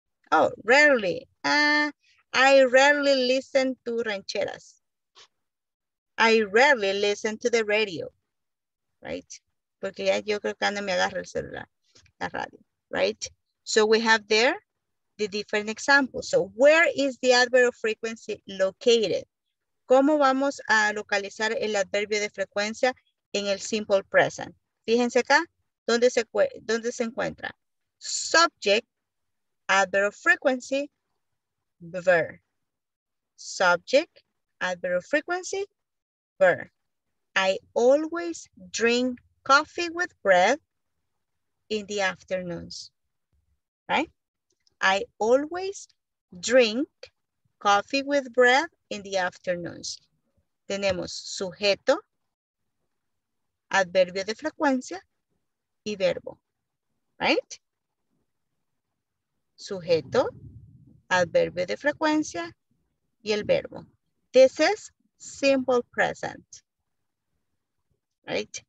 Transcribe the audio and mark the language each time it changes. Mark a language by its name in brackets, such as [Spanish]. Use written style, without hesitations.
[English] Oh, rarely. I rarely listen to rancheras. I rarely listen to the radio. Right? [Spanish] Porque ya yo creo que no me agarra el celular, la radio. Right? [English] So we have there the different examples. So where is the adverb of frequency located? [Spanish] ¿Cómo vamos a localizar el adverbio de frecuencia en el simple present? Fíjense acá, ¿dónde se encuentra? [English] Subject, adverb of frequency, verb. Subject, adverb of frequency, verb. I always drink coffee with bread in the afternoons, right? I always drink coffee with bread in the afternoons. [Spanish] Tenemos sujeto, adverbio de frecuencia y verbo, right? Sujeto, adverbio de frecuencia y el verbo. [English] This is simple present. Right?